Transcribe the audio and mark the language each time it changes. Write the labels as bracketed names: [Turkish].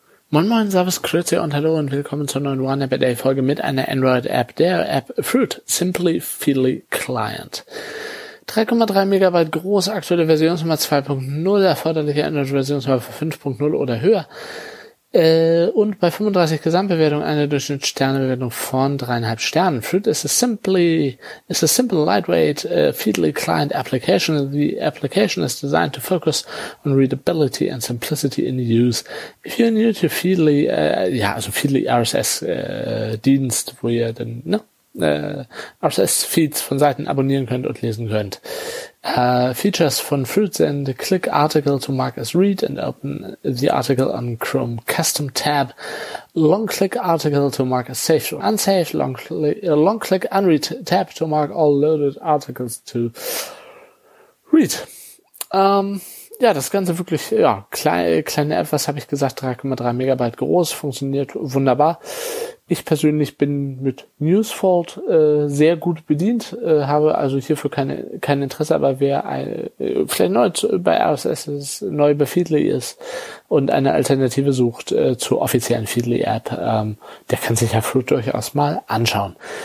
[German] Moin moin, servus, grüezi und hallo und willkommen zur neuen One App a Day Folge mit einer Android App, der App Fruit, Simply Feely Client. 3,3 Megabyte groß, aktuelle Versionsnummer 2.0, erforderliche Android Versionsnummer 5.0 oder höher. Und bei 35 Gesamtbewertungen eine Durchschnittssternebewertung von 3,5 Sternen. [English] Fruit is a simple, lightweight, feely client application. The application is designed to focus on readability and simplicity in use. If you're new to Feely, [German] also Feely RSS, Dienst, wo ihr dann, RSS-Feeds von Seiten abonnieren könnt und lesen könnt. Features von Fruit sind [English] Click Article to mark as read and open the article on Chrome Custom Tab. Long Click Article to mark as saved or unsaved. Long Click Unread Tab to mark all loaded articles to read. [German] Das Ganze wirklich, kleine App, was habe ich gesagt, 3,3 Megabyte groß, funktioniert wunderbar. Ich persönlich bin mit Newsfold sehr gut bedient, habe also hierfür kein Interesse, aber wer vielleicht neu bei RSS ist, neu bei Feedly ist und eine Alternative sucht zur offiziellen Feedly-App, der kann sich ja Fruit durchaus mal anschauen.